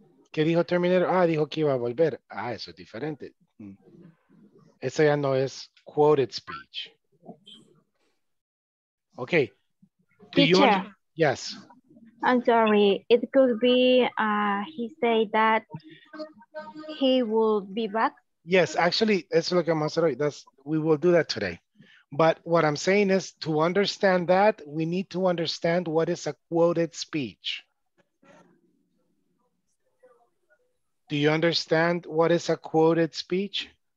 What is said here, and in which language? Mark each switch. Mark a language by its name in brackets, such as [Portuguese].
[Spanish] ¿Qué dijo Terminator? Ah, dijo que iba a volver. Ah, eso es diferente. Eso ya no es quoted speech. [English] Ok. Yes. I'm sorry, it could be he said that he will be back. Yes, actually, [Spanish] eso lo que vamos a hacer hoy. [English] We will do that today. But what I'm saying is to understand that, we need to understand what is a quoted speech. Do you understand what is a quoted speech?